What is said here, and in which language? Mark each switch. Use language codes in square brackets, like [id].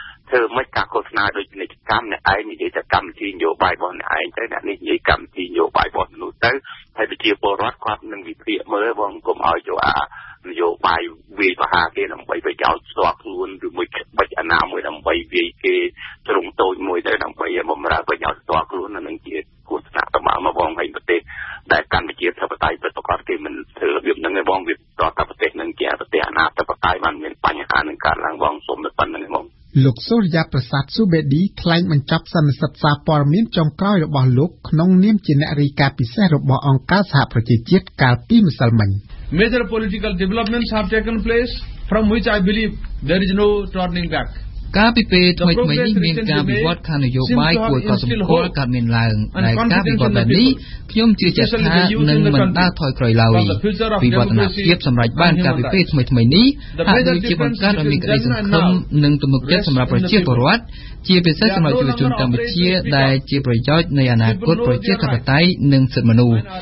[km] ធ្វើម៉េចការឃោសនាដូចពាណិជ្ជកម្មអ្នកឯងនិយាយតែកម្មវិធីនយោបាយរបស់អ្នកឯងទៅអ្នកនេះនិយាយកម្មវិធីនយោបាយរបស់មនុស្សទៅហើយប្រជាពលរដ្ឋគាត់នឹងវិភាគមើលបងកុំឲ្យចូលអានយោបាយវាយប្រហារគេដើម្បីប្រយោជន៍ស្ទាក់ខ្លួនឬមួយបិចអាណាមួយដើម្បីវាយគេត្រង់តូចមួយទៅដើម្បីបំរើប្រយោជន៍ស្ទាក់ខ្លួននៅនឹងជាគួរស្នាក់តំណាងរបស់ប្រទេសដែលកម្ពុជាធិបតេយ្យប្រកាសគេមិនធ្វើរបៀបហ្នឹងទេបងវាតតប្រទេសនឹងជាប្រទេសអាណាធិបតេយ្យបានមានបញ្ហានឹងការឡើងបងសូមទៅប៉ុណ្្នឹងបង លោកសូរិយាប្រសាទស៊ូបេឌីថ្លែងបញ្ចប់សន្និសីទសារព័ត៌មានចុងក្រោយរបស់លោកក្នុងនាមជាអ្នករាយការណ៍ពិសេសរបស់អង្គការសហប្រជាជាតិកាលពីម្សិលមិញ [en] Major political developments have taken place from which I believe there is no turning back [km] ការពិភាក្សាថ្មីៗនេះមានការវិវត្តខាងនយោបាយគួរឲ្យសម្គាល់កើតមានឡើងដែលការវិវត្តបែបនេះខ្ញុំជឿជាក់ថានឹងមិនដើរថយក្រោយឡើយវិវត្តនានាសម្រាប់បានការពិភាក្សាថ្មីៗនេះអាចជាបង្កើតឲ្យមានក្តីសង្ឃឹមនិងទំនុកចិត្តសម្រាប់ប្រជាពលរដ្ឋជាពិសេសសម្រាប់យុវជនកម្ពុជាដែលជាប្រយោជន៍នៃអនាគតប្រជាធិបតេយ្យនិងសិទ្ធិមនុស្ស